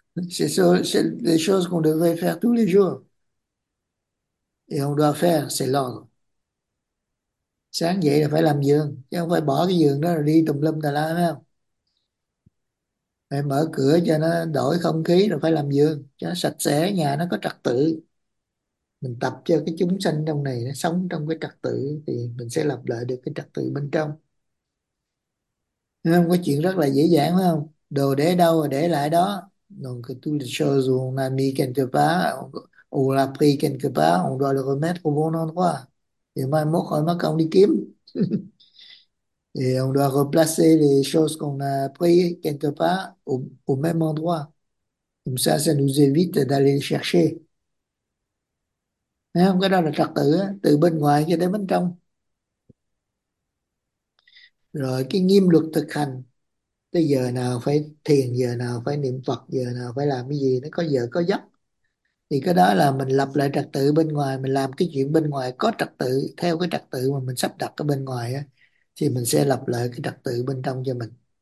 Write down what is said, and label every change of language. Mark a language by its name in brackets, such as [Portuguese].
[French] C'est les choses qu'on devrait faire tous les jours et on doit faire, c'est l'ordre. [Vietnamese] Sáng dậy là phải làm giường chứ không phải bỏ cái giường đó rồi đi tùm lum tà la, phải không? Phải mở cửa cho nó đổi không khí rồi phải làm giường cho nó sạch sẽ, nhà nó có trật tự. Mình tập cho cái chúng sanh trong này nó sống trong cái trật tự thì mình sẽ lập lại được cái trật tự bên trong. Nên có chuyện rất là dễ dàng phải không? Đồ để đâu rồi để lại đó. [French] Donc tous les choses où on a mis quelque part, où on l'a pris quelque part, on doit le remettre au bon endroit. [Vietnamese] Et mai mốt rồi mất công đi kiếm. [French] Et on doit replacer les choses qu'on a pris quelque part au même endroit. Comme ça nous évite d'aller les chercher. [Vietnamese] Không? Cái đó là trật tự á, từ bên ngoài cho đến bên trong. Rồi cái nghiêm luật thực hành, tới giờ nào phải thiền, giờ nào phải niệm Phật, giờ nào phải làm cái gì, nó có giờ có giấc. Thì cái đó là mình lập lại trật tự bên ngoài, mình làm cái chuyện bên ngoài có trật tự, theo cái trật tự mà mình sắp đặt ở bên ngoài á, thì mình sẽ lập lại cái trật tự bên trong cho mình.